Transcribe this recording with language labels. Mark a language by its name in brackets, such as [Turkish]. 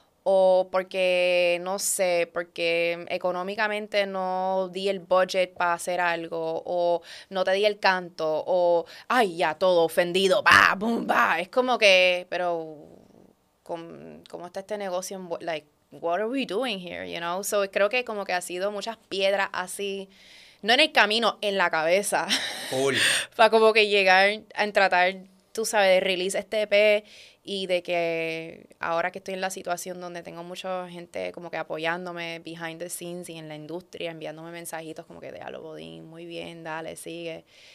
[Spanish] O porque, no sé, porque económicamente no di el budget para hacer algo, o no te di el canto, o, ay, ya, todo ofendido, va, boom, va. Es como que, pero, ¿cómo está este negocio? [English] Like, what are we doing here, you know? [Spanish] So, creo que como que ha sido muchas piedras así, no en el camino, en la cabeza. [English] Cool. [Spanish] Para como que llegar a tratar, tú sabes, de release este EP, y de que ahora que estoy en la situación donde tengo mucha gente como que apoyándome [English] behind the scenes [Spanish] y en la industria, enviándome mensajitos como que de alo Bodín, muy bien, dale, sigue.